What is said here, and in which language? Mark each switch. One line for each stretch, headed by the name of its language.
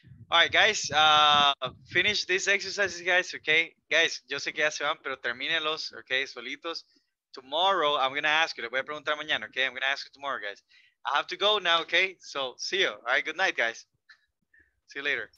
English: All right, guys, finish these exercises, guys, okay?
Spanish: Guys, yo sé que ya se van, pero termínenlos, okay, solitos.
English: Tomorrow, I'm going to ask you.
Spanish: Le voy a preguntar mañana,
English: okay? I'm going to ask you tomorrow, guys. I have to go now, okay? So, see you. All right, good night, guys. See you later.